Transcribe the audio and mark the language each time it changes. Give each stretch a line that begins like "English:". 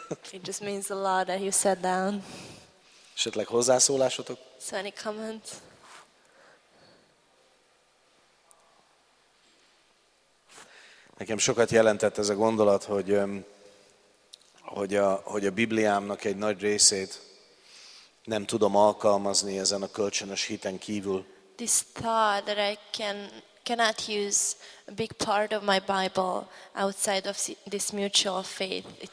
English: It just means a lot that you sat down.
Hungarian: Esetleg hozzászólásotok?
English: So any comments?
Hungarian: Nekem sokat jelentett ez a gondolat, hogy hogy a Bibliámnak egy nagy részét nem tudom alkalmazni ezen a kölcsönös hiten kívül.
English: This thought that I cannot use a big part of my Bible outside of this mutual faith.